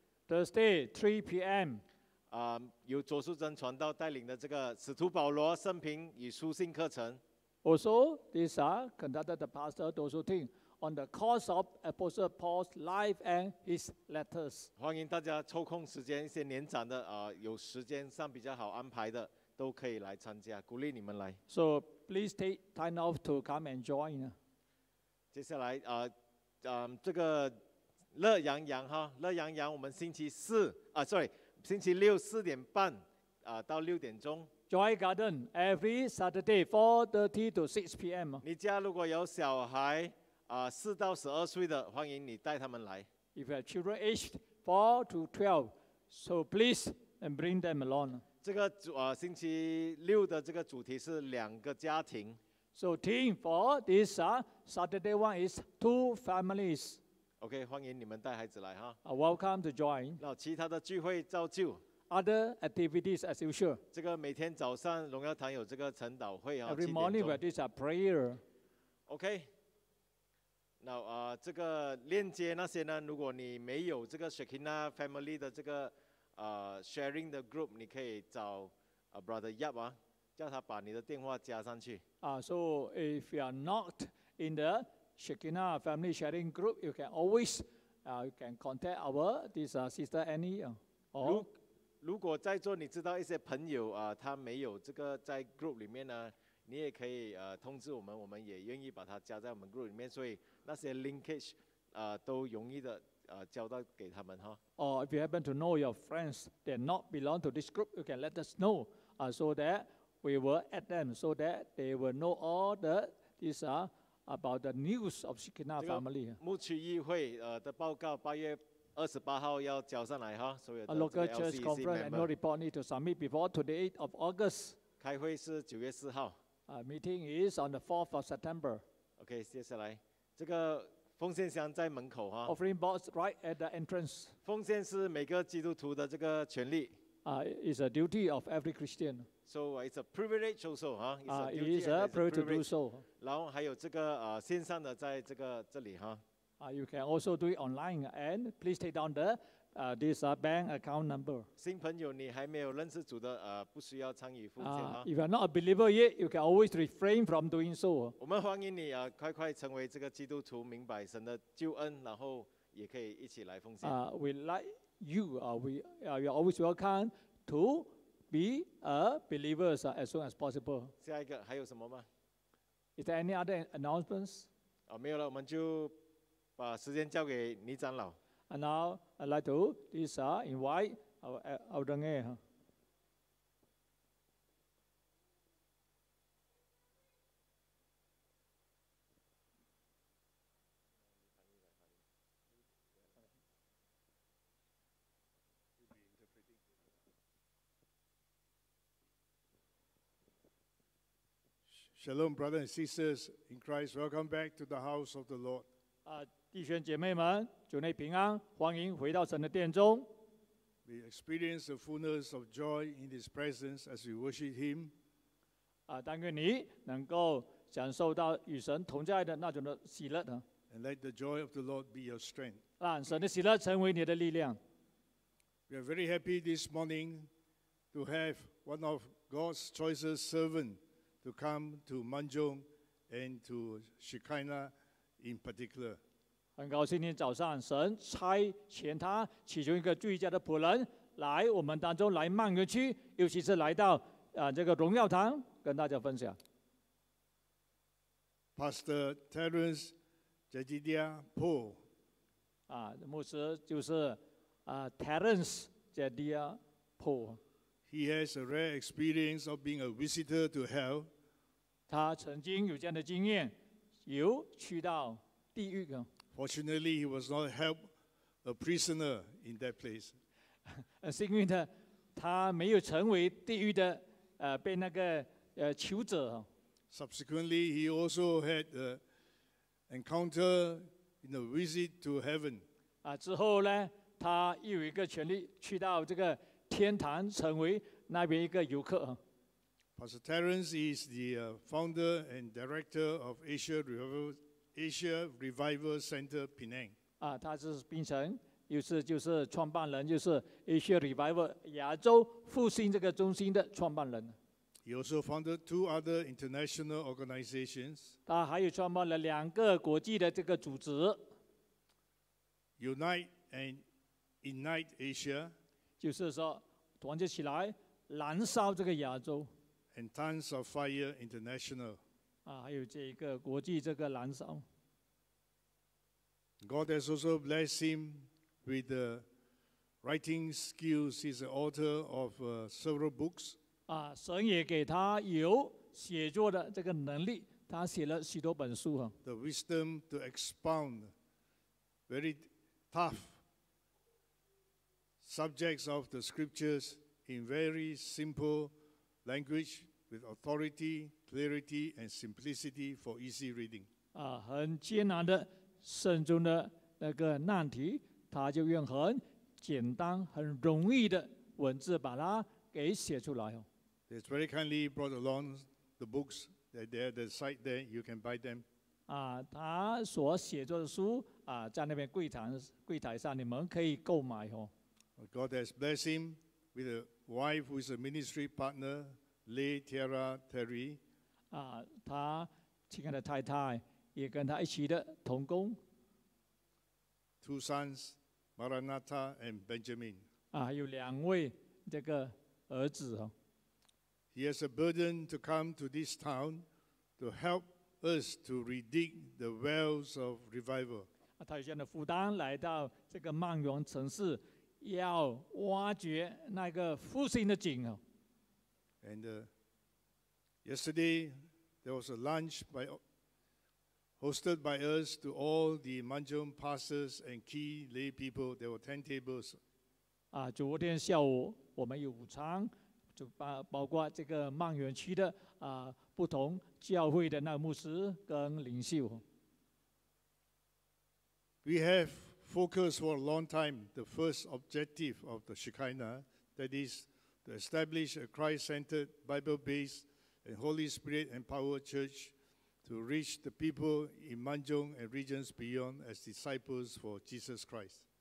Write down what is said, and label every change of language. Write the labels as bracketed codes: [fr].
[en] Thursday 3 p.m. [zh] 由周淑珍传道带领的这个使徒保罗生平与书信课程。 [en] Also, these are conducted by Pastor Do Su Ting on the course of Apostle Paul's life and his letters. [zh] 欢迎大家抽空时间，一些年长的有时间上比较好安排的，都可以来参加，鼓励你们来。 [en] So please take time off to come and join. [zh] 接下来这个乐洋洋哈，乐洋洋，我们星期四星期六4:30到6:00。 [en] Joy Garden every Saturday 4:30 to 6 p.m. [zh] 你家如果有小孩4到12岁的，欢迎你带他们来。 [en] If you have children aged 4 to 12, so please and bring them along. [zh] 这个星期六的这个主题是两个家庭。 [en] So theme for this Saturday one is two families. [zh] OK, 欢迎你们带孩子来哈。 [en] Welcome to join. [zh] 那其他的聚会照旧。 [en] Other activities as usual. [zh] 这个每天早上荣耀堂有这个晨祷会啊。 [en] Every morning we have this prayer. [zh] OK. 那这个链接那些呢，如果你没有这个 Shekinah Family 的这个sharing 的 group, 你可以找Brother Yap 啊，叫他把你的电话加上去。 [en] So if you are not in the Shekinah Family sharing group, you can always contact this sister Annie. [zh] 如果在座你知道一些朋友他没有这个在 group 里面呢，你也可以通知我们，我们也愿意把他加在我们 group 里面，所以那些 linkage 都容易的交到给他们哈。 [en] If you happen to know your friends that not belong to this group, you can let us know so that we will add them, so that they will know all the this about the news of Shekinah family. [zh] 这个牧区议会的报告8月28号要交上来哈，所有的 [en] local church conference annual report need to submit before today 8th of August. [zh] 开会是9月4号。 [en] Meeting is on the 4th of September. [zh] OK, 接下来这个奉献箱在门口哈。 [en] Offering box right at the entrance. [zh] 奉献是每个基督徒的这个权利。 [en] It's a duty of every Christian. So it's a privilege also, It is a privilege to do so. [zh] 然后还有这个线上的在这个这里哈。 [en] You can also do it online, and please take down the bank account number. [zh] 新朋友，你还没有认识主的，不需要参与奉献吗？ [en] If you are not a believer yet, you can always refrain from doing so. [zh] 我们欢迎你快快成为这个基督徒，明白神的救恩，然后也可以一起来奉献。 [en] We like you. We are always welcome to be a believer as soon as possible. [zh] 下一个还有什么吗？ [en] Is there any other announcements? [zh] 没有了，我们就把时间交给倪长老。 [en] And now I'd like to invite our Deng Ai. Shalom, brothers and sisters in Christ. Welcome back to the house of the Lord. [zh] 弟兄姐妹们，主内平安，欢迎回到神的殿中。 [en] We experience the fullness of joy in His presence as we worship Him. [zh] 但愿你能够享受到与神同在的那种的喜乐呢。 [en] And let the joy of the Lord be your strength. [zh] 让神的喜乐成为你的力量。 [en] We are very happy this morning to have one of God's choicest servants to come to Manjung and to Shekinah in particular. [zh] 很高兴今天早上神差遣他其中一个最佳的仆人来我们当中来曼谷区，尤其是来到这个荣耀堂跟大家分享。 [en] Pastor Terence Jedidiah Poe. [zh] 牧师就是Terence Jedidiah Poe. [en] He has a rare experience of being a visitor to hell. [zh] 他曾经有这样的经验，有去到地狱的。 [en] Fortunately, he was not helped a prisoner in that place. [zh] 幸运的，他没有成为地狱的被那个囚者。 [en] Subsequently, he also had an encounter in a visit to heaven. [zh] 之后呢，他又有一个权利去到这个天堂，成为那边一个游客。 [en] Pastor Terence is the founder and director of Asia Revival Center Penang. [zh] 他是槟城，又是就是创办人，就是 Asia Revival 亚洲复兴这个中心的创办人。 [en] He also founded two other international organizations. [zh] 他还有创办了两个国际的这个组织。 [en] Unite and ignite Asia. [zh] 就是说，团结起来，燃烧这个亚洲。 [en] And Tons of Fire International. [zh] 还有这个国际这个燃烧。 [en] God has also blessed him with the writing skills. He's the author of several books. [zh] 神也给他有写作的这个能力，他写了许多本书。 [en] The wisdom to expound very tough subjects of the scriptures in very simple language with authority, clarity, and simplicity for easy reading. [zh] 很艰难的圣经的那个难题，他就用很简单、很容易的文字把它给写出来。 [en] It's very kindly brought along the books that they're the site there. You can buy them. [zh] 他所写作的书在那边柜台上，你们可以购买哦。 [en] God has blessed him with a wife who is a ministry partner, Lee Tiara Terry. [zh] 他亲爱的太太也跟他一起的同工。 [en] Two sons, Maranatha and Benjamin. [zh] 还有两位这个儿子哦。 [en] He has a burden to come to this town to help us to redig the wells of revival. [zh] 他有这样的负担来到这个曼谷城市，要挖掘那个复兴的井。 [en] And yesterday there was a lunch hosted by us to all the Manjung pastors and key lay people. There were 10 tables. [zh] 昨天下午我们有午餐。就包括这个曼谷区的不同教会的那牧师跟领袖。 [en] We have focused for a long time the first objective of the Shekinah, that is to establish a Christ-centered, Bible-based, and Holy Spirit-empowered church to reach the people in Manjung and regions beyond as disciples for Jesus Christ.